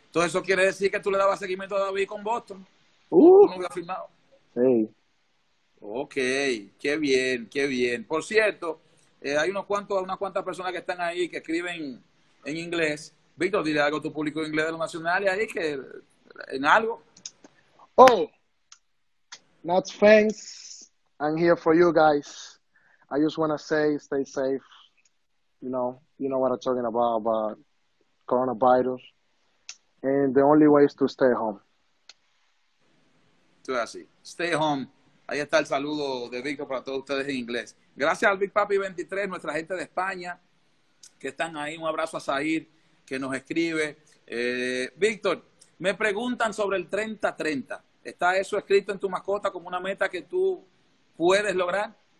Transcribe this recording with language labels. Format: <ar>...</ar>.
<es>Todo eso quiere decir que tú le dabas seguimiento a David con Boston. No había firmado. Sí. Ok, qué bien, qué bien. Por cierto, hay unas cuantas personas que están ahí que escriben en inglés. Víctor, dile algo a tu público de inglés de los nacionales ahí, que en algo.</es> <en>Oh, Nats fans, I'm here for you guys. I just want to say stay safe. You know what I'm talking about coronavirus. And the only way is to stay home.</en> <es>Tú eres así.</es> <en>Stay home.</en> <es>Ahí está el saludo de Víctor para todos ustedes en inglés. Gracias al Big Papi 23, nuestra gente de España, que están ahí. Un abrazo a Zahir, que nos escribe. Víctor, me preguntan sobre el 30-30. ¿Está eso escrito en tu mascota como una meta que tú puedes lograr?</es>